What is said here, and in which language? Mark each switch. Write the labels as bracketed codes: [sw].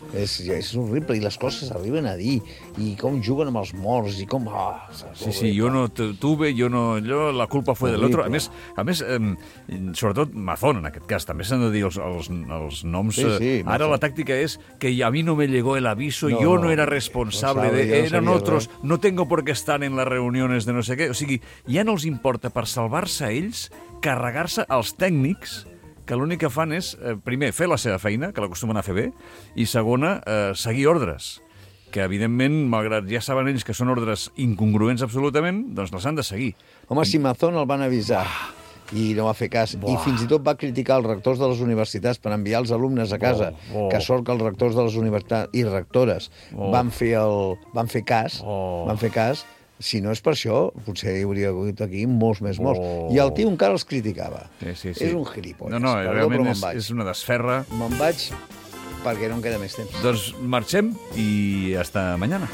[ca] És horrible, i les coses arriben a dir, i com juguen amb els morts, i com... Oh, [es] sí, sí, jo no tuve, jo no... Allò, la culpa fue de l'altre. [ca] A més, sobretot Mazón, en aquest cas, també s'han de dir els noms. Sí, sí. Ara la tàctica és que a mi [es] no me llegó el aviso, [ca] jo no era responsable, no sabe, de... [es] Eren otros, no tengo por qué estar en las reuniones de no sé què. [ca] O sigui, ja no els importa, per salvar-se a ells, carregar-se als tècnics, que l'únic que fan és, primer, fer la seva feina, que l'acostumen a fer bé, i segona, seguir ordres. Que, evidentment, malgrat ja saben ells que són ordres incongruents absolutament, doncs les han de seguir. Home, si Mazón el van avisar i no va fer cas, i fins i tot va criticar els rectors de les universitats per enviar els alumnes a casa, que sort que els rectors de les universitats i rectores van fer cas, si no és per això, potser hi hauria hagut aquí molts més morts. I el tio encara els criticava. Sí, sí. És un gilipolles. No, realment és una desferra. Me'n vaig... perquè no em queda més temps. Doncs marxem i [es] hasta mañana.